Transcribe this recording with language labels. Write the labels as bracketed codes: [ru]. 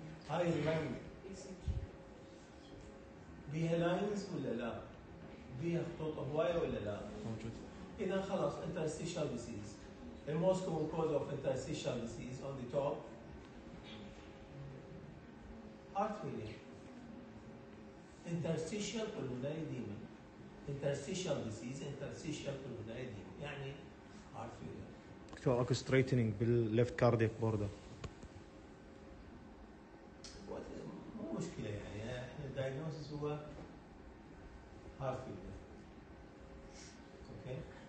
[ar] هاي اللاين بيها لاينز ولا لا؟ بيها خطوط هوايه ولا لا؟ موجود. اذا خلاص interstitial disease. [en] The most common cause of interstitial disease on the top. Heart failure. Interstitial pulmonary edema. Interstitial disease, interstitial pulmonary edema. يعني heart failure. [ar] دكتور اكو ستريتنينج بالليفت كاردياك بوردر. مو مشكلة يعني احنا الدايجنوسيس هو هارت فيلر. اوكي.